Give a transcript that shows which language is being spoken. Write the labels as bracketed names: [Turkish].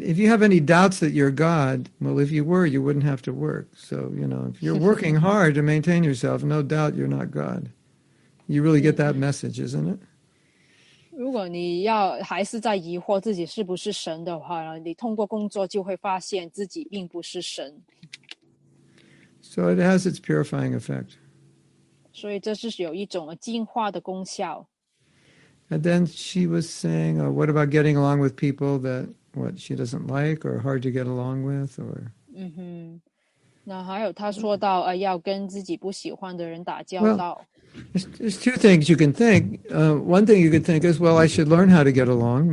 [English] if you have any doubts that you're God, well, if you were, you wouldn't have to work. So, you know, if you're working hard to maintain yourself, no doubt you're not God. You really get that message, isn't it? [Chinese] 如果你还是在疑惑自己是不是神的话，你通过工作就会发现自己并不是神。So [English] it has its purifying effect. [Chinese] 所以这是有一种净化的功效。 [English] And then she was saying, oh, what about getting along with people that what she doesn't like or hard to get along with? Or... Mm-hmm. [Chinese] 那还有她说到要跟自己不喜欢的人打交道。 [English] Well, there's two things you can think. One thing you could think is, well, I should learn how to get along.